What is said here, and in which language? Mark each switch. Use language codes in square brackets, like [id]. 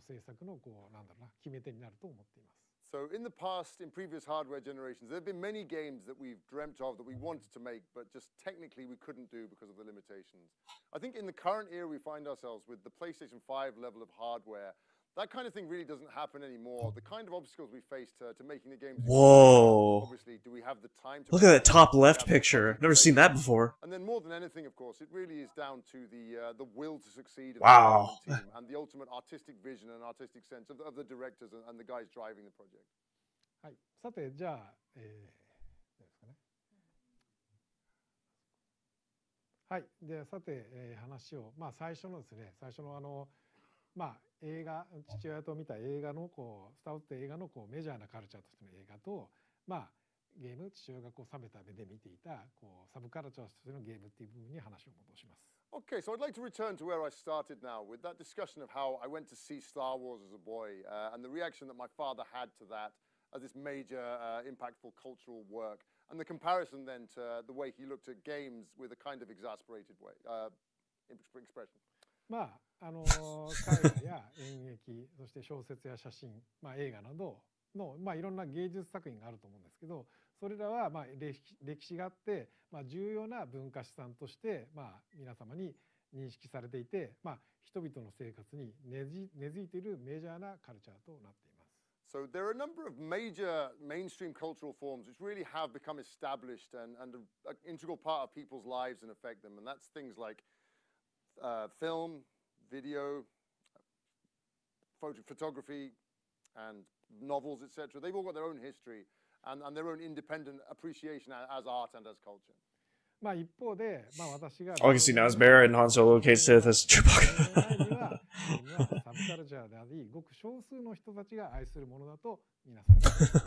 [ja] どちらかというと、まあ、なんだろうな、プロデューサー視点で言うと、まあ、費用とスケジュール、という部分が、ハードルになることと、最後はやっぱり開発者が強い思いを持って続けることと、まあ、その彼が持ってるこう、芸術的なセンスっていう、ディレクターが持ってる芸術的なセンスっていう部分が、まあ、ゲームの制作のこう、なんだろうな、決め手になると思っています。 [en] So in the past, in previous hardware generations, there have been many games that we've dreamt of that we wanted to make, but just technically we couldn't do because of the limitations. I think in the current era we find ourselves with the PlayStation 5 level of hardware, that kind of thing really doesn't happen anymore. The kind of obstacles we faced to making the games... Whoa. Obviously, do we have the time to... Look at that top left picture. Never seen that before. And then more than anything, of course, it really is down to the will to succeed... Of wow. The team ...and the ultimate artistic vision and artistic sense of the directors and the guys driving the project. [ja] まあ、映画、父親と見た映画のこう、スタウト映画のこう、メジャーなカルチャーとしての映画と、まあ、ゲーム、父親がこう冷めた目で見ていたこうサブカルチャーとしてのゲームっていう部分に話を戻します。 [en] Okay, so I'd like to return to where I started now with that discussion of how I went to see Star Wars as a boy, and the reaction that my father had to that as this major, impactful cultural work, and the comparison then to the way he looked at games with a kind of exasperated way, expression. [ja] まあ、絵画や演劇、そして小説や写真、まあ、映画などの、まあ、いろんな芸術作品があると思うんですけど、それらは、まあ、歴史があって、まあ、重要な文化資産として、まあ、皆様に認識されていて、まあ、人々の生活に根付いているメジャーなカルチャーとなっています。 [en] So there are a number of major mainstream cultural forms which really have become established and an integral part of people's lives and affect them. And that's things like film, video, photography, and novels, etc. They've all got their own history and their own independent appreciation as art and as culture. [ja] まあ一方で、まあ私が、 [en] Oh, you see, now it's Barrett and Han Solo, Kate Sith, that's Chewbacca. [ja] サブカルチャーであり、ごく少数の人たちが愛するものだと見なされます。